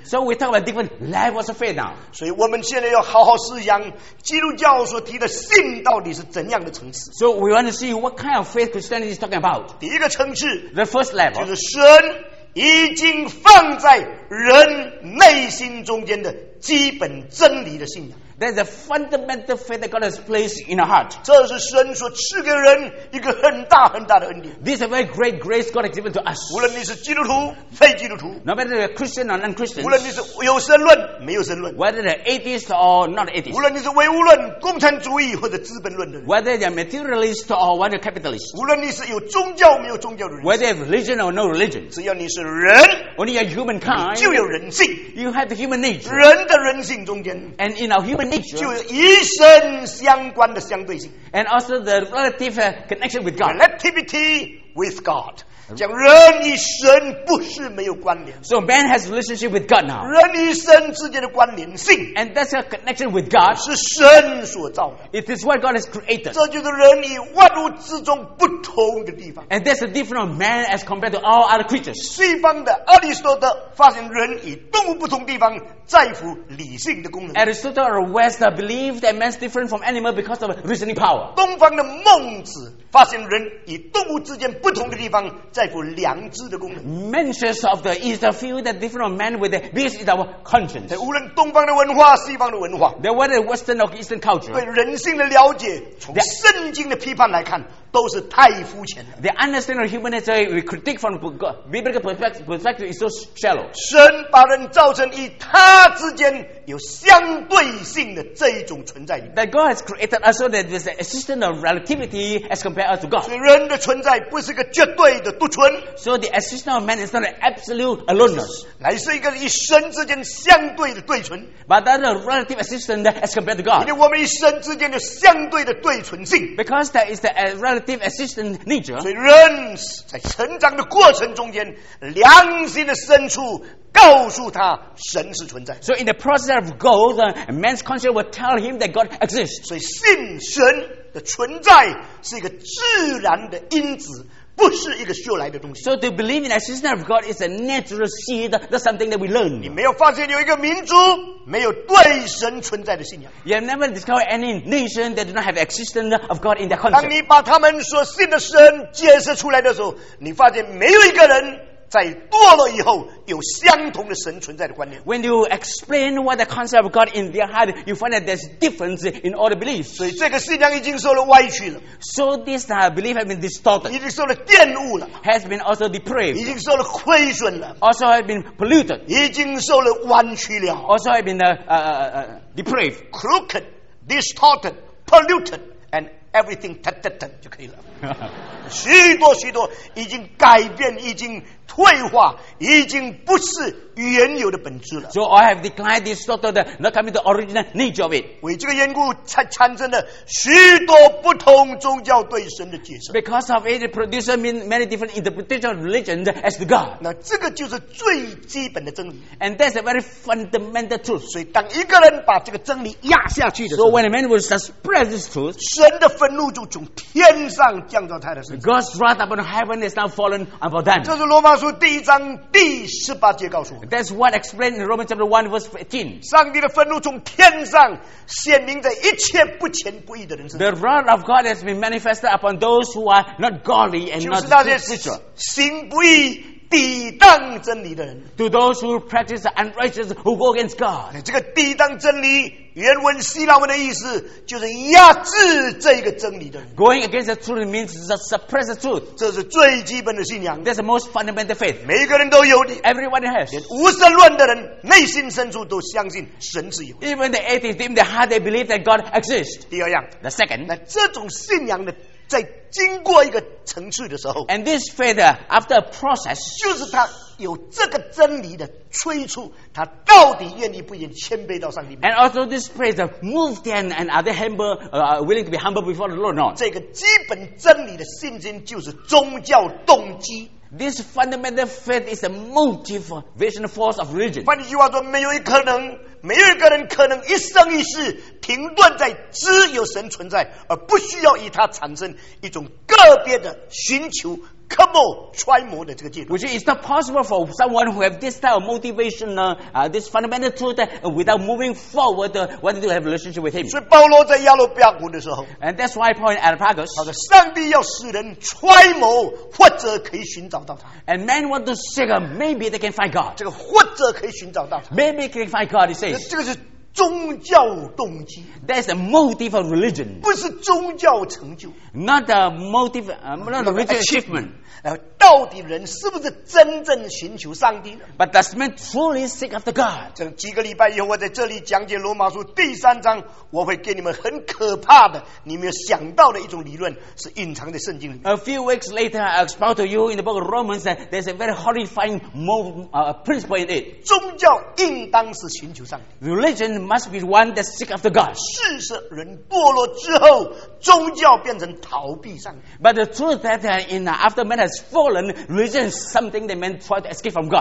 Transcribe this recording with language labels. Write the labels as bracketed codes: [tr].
[en] So we talk about different levels of faith now. [zh] 所以我们现在要好好思想基督教所提的信到底是怎样的层次。 [en] So we want to see what kind of faith Christianity is talking about. [zh] 第一个层次, [en] the first level, [zh] 就是神已经放在人内心中间的基本真理的信仰。 [en] That's the fundamental faith that God has placed in our heart. [zh] 这是神所赐给人一个很大很大的恩典。 [en] This is a very great grace God has given to us. [zh] 无论你是基督徒非基督徒, [en] no matter you're Christian or non-Christian, [zh] 无论你是有神论没有神论, [en] whether you're atheist or not atheist, [zh] 无论你是唯物论共产主义或者资本论的人, [en] whether you're materialist or whether you're capitalist, [zh] 无论你是有宗教没有宗教的人, [en] whether you have religion or no religion, [zh] 只要你是人, [en] only you're humankind, [zh] 你就有人性, [en] you have the human nature, [zh] 人的人性中间, [en] and in our human nature, [zh] 就是一生相关的相对性, [en] and also the relative connection with God. Relativity with God. [zh] 讲人与神不是没有关联, [en] so man has relationship with God now. [zh] 人与神之间的关联性, [en] and that's a connection with God. [zh] 是神所造的, [en] it is what God has created. [zh] 这就是人与万物之中不同的地方, [en] and that's a different of man as compared to all other creatures. [zh] 西方的阿里斯多德发现人与动物不同地方, 在乎理性的功能。 [en] Aristotle or West believe that man's different from animal because of reasoning power. [zh] 东方的孟子发现人与动物之间不同的地方, 在乎良知的功能。 [en] Mentions of the East feel that different from man with the, this is our conscience. [zh] 无论东方的文化西方的文化, [en] the whether Western or Eastern culture, [zh] 对人性的了解, 从圣经的批判来看, 都是太肤浅了。 [en] The understanding of human nature we critique from biblical perspective is so shallow. [zh] 神把人造成以他 之间有相对性的这一种存在, [en] that God has created us so that there's the existence of relativity as compared to God. [zh] 所以人的存在不是个绝对的独存, [en] so the existence of man is not an absolute aloneness, [zh] 乃是一个与神之间相对的对存, [en] but that's a relative existence as compared to God. [zh] 因为我们与神之间有相对的对存性, [en] because there is the relative existence nature. [zh] 所以人在成长的过程中间, 良心的深处, 告诉他神是存在。 [en] So in the process of growth, man's conscience will tell him that God exists. [zh] 所以信神的存在是一个自然的因子, 不是一个修来的东西。 [en] So to believe in the existence of God is a natural seed, not something that we learn. [zh] 你没有发现有一个民族, 没有对神存在的信仰。 [en] You have never discovered any nation that did not have existence of God in their conscience. [zh] 当你把他们所信的神解释出来的时候, 你发现没有一个人, 在堕落以后有相同的神存在的观念。 [en] When you explain what the concept of God in their heart, you find that there's difference in all the beliefs. [zh] 所以这个信仰已经受了歪曲了。 [en] So this belief has been distorted. [zh] 已经受了玷污了。 [en] Has been also depraved. [zh] 已经受了亏损了。 [en] Also has been polluted. [zh] 已经受了弯曲了。 [en] Also has been depraved. Crooked, distorted, polluted, and everything [zh] 就可以了。 许多许多已经改变已经退化已经不是原有的本质了。 [en] So I have declined this sort of the not coming the original nature of it. [zh] 为这个缘故产生了许多不同宗教对神的解释。 [en] Because of it, it produces many different interpretations of religion as to God. [zh] 那这个就是最基本的真理。 [en] And that's a very fundamental truth. [zh] 所以当一个人把这个真理压下去的时候 [en] ，So when a man will suppress this truth, [zh] 神的愤怒就从天上降到他的身上。 [en] God's wrath upon heaven is now fallen upon them. [zh] 这是罗马书第一章第十八节告诉我。 [en] That's what explained in Romans chapter 1 verse 18. [zh] 上帝的愤怒从天上显明在一切不虔不义的人身上。 [en] The wrath of God has been manifested upon those who are not godly and not spiritual. [zh] 行不义抵挡真理的人。 [en] To those who practice unrighteous, who go against God. [zh] 这个抵挡真理原文希腊文的意思就是压制这个真理的人。 [en] Going against the truth means to suppress the truth. [zh] 这是最基本的信仰。 [en] That's the most fundamental faith. [zh] 每一个人都有的。 [en] Everyone has. [zh] 连无神论的人内心深处都相信神是有。 [en] Even the atheists in their heart they believe that God exists. [zh] 第二样。 [en] The second. [zh] 那这种信仰的在经过一个程序的时候 [en] and this faith after a process [zh] 就是他有这个真理的催促他到底愿意不愿意谦卑到上帝面 [en] and also this faith move them and are they humble, willing to be humble before the Lord or not [zh] 这个基本真理的信心就是宗教动机 [en] this fundamental faith is the motive vision force of religion [zh] 换句话说没有一可能没有一个人可能一生一世停顿在只有神存在而不需要以他产生一种个别的寻求渴慕揣摩的这个阶段 [en] Which is not possible for someone who have this type of motivation this fundamental truth without moving forward wanting to have a relationship with him [zh] 所以保罗在亚罗比亚谷的时候 [en] And that's why Paul in Areopagus [zh] 他说上帝要使人揣摩或者可以寻找到他 [en] And men want to seek him maybe they can find God [zh] 这个或者可以寻找到他 [en] Maybe they can find God he says [zh] 这个是宗教动机 [en] That's the motive of religion [zh] 不是宗教成就 [en] Not the motive not religious achievement [zh] 到底人是不是真正寻求上帝 [en] But does man truly seek after God [zh] 这几个礼拜以后我在这里讲解罗马书第三章我会给你们很可怕的你们想到的一种理论是隐藏在圣经里面 [en] A few weeks later I expound to you in the book of Romans that there's a very horrifying principle in it [zh] 宗教应当是寻求上帝 [en] ReligionMust be one that seek after God. [zh] 事实人堕落之后，宗教变成逃避上帝。 [en] But the truth is that in after man has fallen, religion is something that man tried to escape from God.